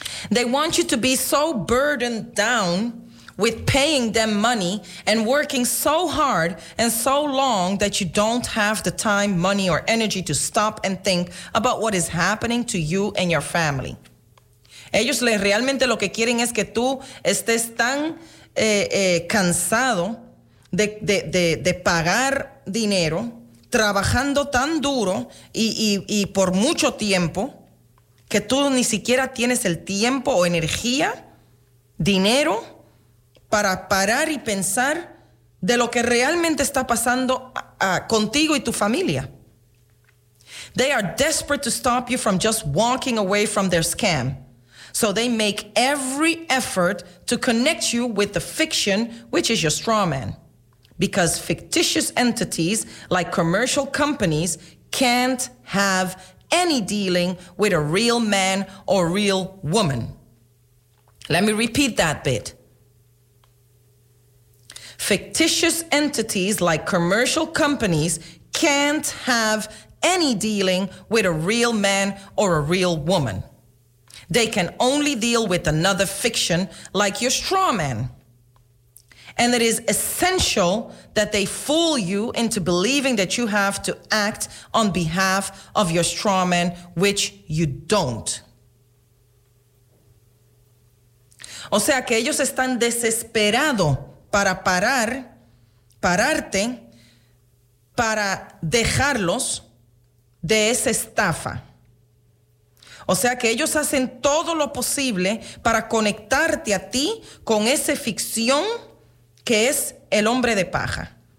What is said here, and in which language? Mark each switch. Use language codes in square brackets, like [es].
[en] They want you to be so burdened down with paying them money and working so hard and so long that you don't have the time, money, or energy to stop and think about what is happening to you and your family. [es] Ellos realmente lo que quieren es que tú estés tan cansado de pagar dinero, trabajando tan duro y por mucho tiempo, que tú ni siquiera tienes el tiempo o energía, dinero, para parar y pensar de lo que realmente está pasando contigo y tu familia. [en] They are desperate to stop you from just walking away from their scam. So they make every effort to connect you with the fiction, which is your straw man. Because fictitious entities like commercial companies can't have any dealing with a real man or real woman. Let me repeat that bit. Fictitious entities like commercial companies can't have any dealing with a real man or a real woman. They can only deal with another fiction like your straw man. And it is essential that they fool you into believing that you have to act on behalf of your straw man, which you don't. [es] O sea que ellos están desesperados para pararte, para dejarlos de esa estafa. O sea que ellos hacen todo lo posible para conectarte a ti con esa ficción que es el hombre de paja.